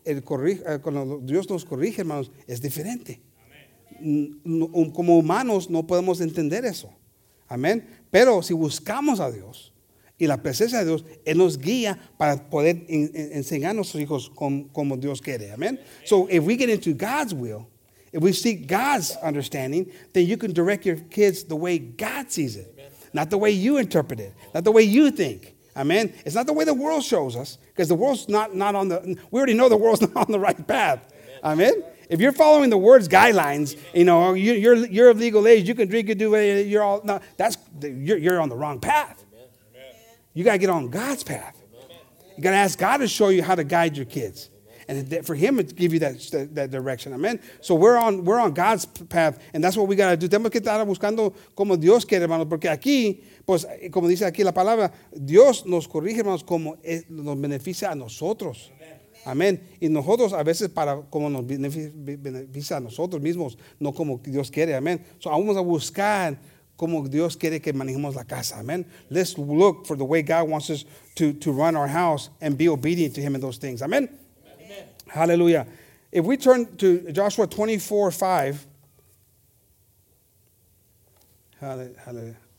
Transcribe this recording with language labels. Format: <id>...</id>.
<es>Cuando Dios nos corrige, hermanos, es diferente. Amén. Como humanos no podemos entender eso. Amén. Pero si buscamos a Dios y la presencia de Dios, Él nos guía para poder enseñar a nuestros hijos como Dios quiere. Amén.</es> <en>So, if we get into God's will, if we seek God's understanding, then you can direct your kids the way God sees it. Amen. Not the way you interpret it. Not the way you think. Amen. It's not the way the world shows us, because the world's not on the, we already know the world's not on the right path. Amen. Amen. If you're following the world's guidelines, you know, you're of legal age, you can drink, you do whatever, you're all, no, that's, you're on the wrong path. Amen. You got to get on God's path. Amen. You got to ask God to show you how to guide your kids. And for him to give you that direction. Amen. So we're on God's path, and that's what we got to do.</en> <es>Tenemos que estar buscando como Dios quiere, hermanos, porque aquí, pues, como dice aquí la palabra, Dios nos corrige, hermanos, como nos beneficia a nosotros. Amén. Y nosotros a veces para como nos beneficia a nosotros mismos, no como Dios quiere. Amén. So vamos a buscar como Dios quiere que manejemos la casa. Amén.</es> <en>Let's look for the way God wants us to run our house and be obedient to him in those things. Amén. Hallelujah. If we turn to Joshua 24:5. Hallelujah.</en>